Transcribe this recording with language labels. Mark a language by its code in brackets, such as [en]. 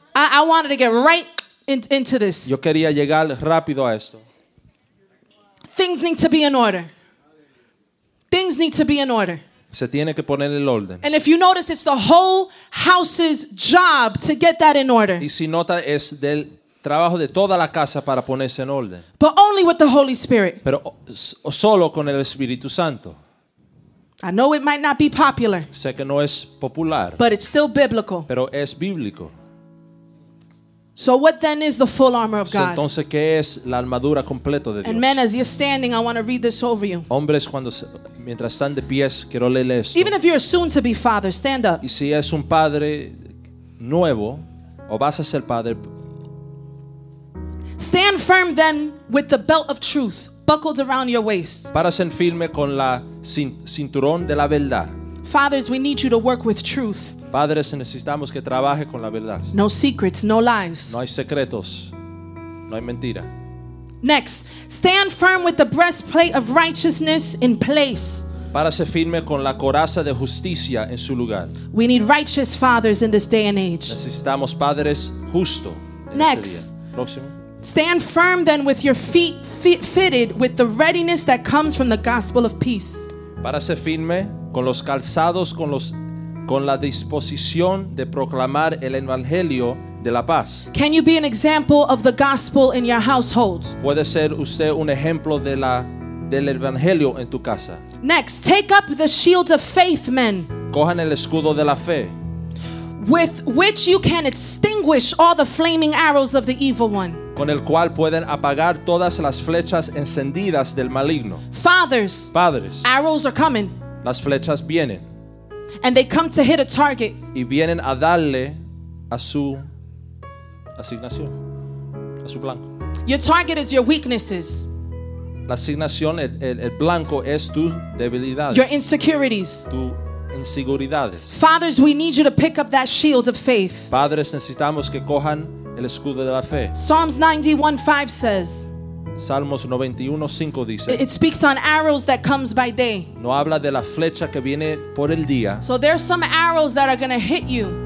[en] I wanted to get right into this. [es] Yo quería llegar rápido a esto. [en] Things need to be in order. Things need to be in order. [es] Se tiene que poner el orden. [en] And if you notice, it's the whole house's job to get that in order. [es] Y si nota es del trabajo de toda la casa para ponerse en orden. [en] But only with the Holy Spirit. [es] Pero solo con el Espíritu Santo. [en] I know it might not be popular. [es] Sé que no es popular. [en] But it's still biblical. [es] Pero es bíblico. [en] So what then is the full armor of God? [es] Entonces, ¿qué es la armadura completa de Dios? [en] And men, as you're standing, I want to read this over you. [es] Hombres, cuando mientras están de pies, quiero leer esto. [en] Even if you're soon to be father, stand up. [es] Y si es un padre nuevo, o vas a ser padre. [en] Stand firm then with the belt of truth buckled around your waist. [es] Párase firme con la cinturón de la verdad. [en] Fathers, we need you to work with truth. [es] Padres, necesitamos que trabaje con la verdad. [en] No secrets, no lies. [es] No hay secretos. No hay mentira. [en] Next, stand firm with the breastplate of righteousness in place. [es] Párase firme con la coraza de justicia en su lugar. [en] We need righteous fathers in this day and age. [es] Necesitamos padres justo. [en] Next. [es] Próximo. [en] Stand firm then with your feet fitted with the readiness that comes from the gospel of peace. [es] Párase firme con los calzados con la disposición de proclamar el evangelio de la paz. [en] Can you be an example of the gospel in your household? [es] Puede ser usted un ejemplo de la del evangelio en tu casa. [en] Next, take up the shield of faith, men. [es] Cojan el escudo de la fe. [en] With which you can extinguish all the flaming arrows of the evil one. [es] Con el cual pueden apagar todas las flechas encendidas del maligno. [en] Fathers. [es] Padres. [en] Arrows are coming. [es] Las flechas vienen. [en] And they come to hit a target. [es] Y vienen a darle a su asignación. A su blanco. [en] Your target is your weaknesses. [es] La asignación, el blanco es tus debilidades. [en] Your insecurities. [es] Tu inseguridades. [en] Fathers, we need you to pick up that shield of faith. [es] Padres, necesitamos que cojan el escudo de la fe. [en] Psalms 91:5 says. [es] Salmos 91:5 dice. [en] It speaks on arrows that comes by day. [es] No habla de la flecha que viene por el día. [en] So there's some arrows that are going to hit you.